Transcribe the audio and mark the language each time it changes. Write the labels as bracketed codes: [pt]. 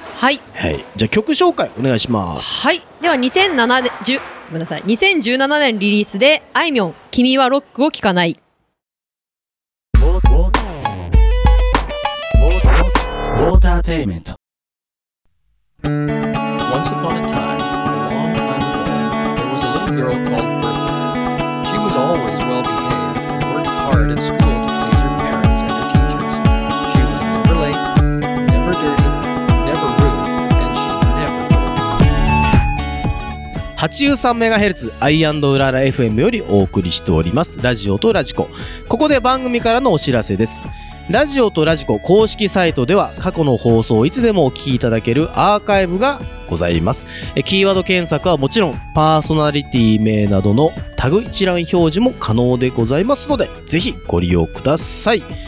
[ja] はい。はい。じゃあ曲紹介お願いします。はい。では2017年リリースで、あいみょん、君はロックを聴かない。ウォーターテイメント。 [en] Once upon a time, a long time ago, there was a little girl called Bertha. She was always well behaved and worked hard at school to please her parents and her teachers. She was never late, never dirty, never rude, and she never told. [ja] 83MHz アイアンドウララ FM よりお送りしております。ラジオとラジコ。ここで番組からのお知らせです。ラジオとラジコ公式サイトでは過去の放送をいつでもお聞きいただけるアーカイブがございます。キーワード検索はもちろん、パーソナリティ名などのタグ一覧表示も可能でございますので、ぜひご利用ください。